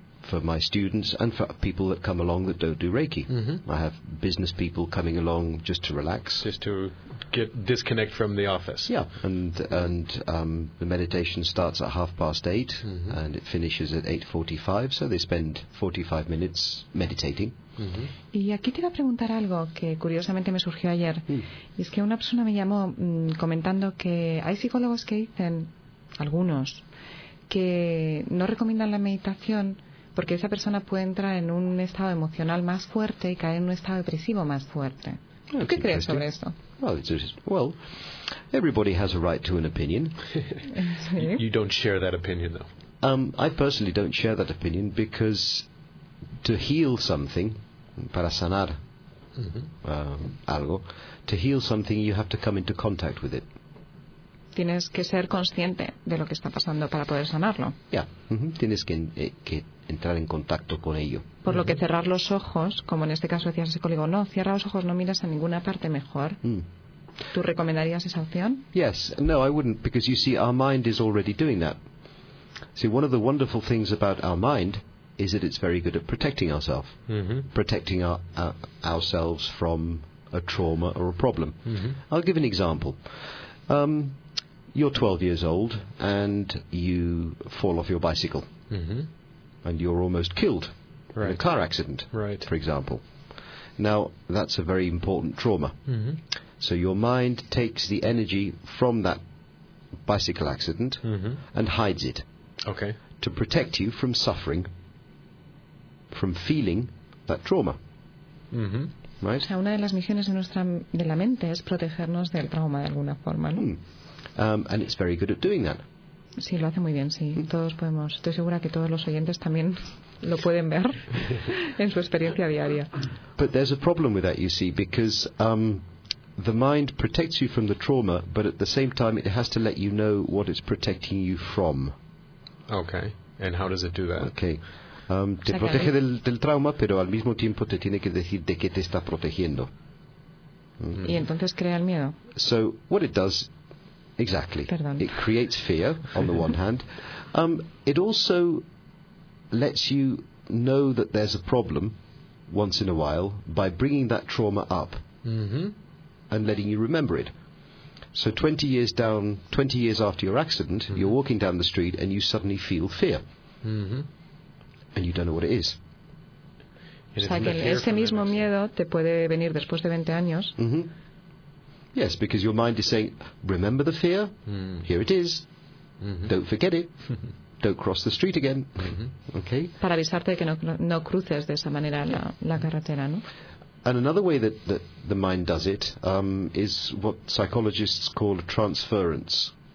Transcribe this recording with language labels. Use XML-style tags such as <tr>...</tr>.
<en>For my students and for people that come along that don't do Reiki. Mm-hmm. I have business people coming along just to relax. Just to disconnect from the office. Yeah, and the meditation starts at 8:30 mm-hmm. and it finishes at 8:45, so they spend 45 minutes meditating. Mm-hmm.</en> <es>Y aquí te iba a preguntar algo que curiosamente me surgió ayer. Mm. Y es que una persona me llamó comentando que hay psicólogos que dicen, algunos, que no recomiendan la meditación porque esa persona puede entrar en un estado emocional más fuerte y caer en un estado depresivo más fuerte. ¿Qué crees sobre esto?</es> <en>Well, everybody has a right to an opinion. You don't share that opinion, though. I personally don't share that opinion because to heal something,</en> <es>para sanar</es> <en>mm-hmm.</en> <es>Algo,</es> <en>to heal something you have to come into contact with it.</en> <es>Tienes que ser consciente de lo que está pasando para poder sanarlo. Yeah, mm-hmm. Tienes que entrar en contacto con ello. Por mm-hmm. lo que cerrar los ojos, como en este caso decía ese colega, no, cierra los ojos, no miras a ninguna parte mejor. Mm. ¿Tú recomendarías esa opción?</es> <en>Yes, no, I wouldn't, because you see, our mind is already doing that. See, one of the wonderful things about our mind is that it's very good at protecting ourselves, mm-hmm. protecting ourselves from a trauma or a problem. Mm-hmm. I'll give an example. You're 12 years old and you fall off your bicycle mm-hmm. and you're almost killed right. in a car accident, right. for example. Now, that's a very important trauma. Mm-hmm. So your mind takes the energy from that bicycle accident mm-hmm. and hides it okay. to protect you from suffering, from feeling that trauma. Mm-hmm. Right.</en> <es>O sea, una de las misiones de la mente es protegernos del trauma de alguna forma, ¿no?</es> <en>And it's very good at doing that.</en> <es>Sí, lo hace muy bien, sí. Mm. Todos podemos. Estoy segura que todos los oyentes también lo pueden ver en su experiencia diaria.</es> <en>But there's a problem with that, you see, because the mind protects you from the trauma, but at the same time it has to let you know what it's protecting you from. Okay. And how does it do that? Okay.</en> <es>Te protege del trauma, pero al mismo tiempo te tiene que decir de qué te está protegiendo. Mm. Y entonces crea el miedo.</es> <en>So, what it does, exactly,</en> <es>Perdón.</es> <en>It creates fear, on the one hand. It also lets you know that there's a problem, once in a while, by bringing that trauma up mm-hmm. and letting you remember it. So 20 years after your accident, mm-hmm. you're walking down the street and you suddenly feel fear. Mm-hmm. And you don't know what it is.</en> <es>O sea, que ese mismo miedo te puede venir después de 20 años. Mm-hmm.</es> <en>Yes, because your mind is saying, remember the fear, mm. here it is, mm-hmm. don't forget it, don't cross the street again. Mm-hmm. Okay.</en> <es>Para avisarte de que no cruces de esa manera la carretera, ¿no?</es> <en>And another way that the mind does it is what psychologists call transferencia.</en>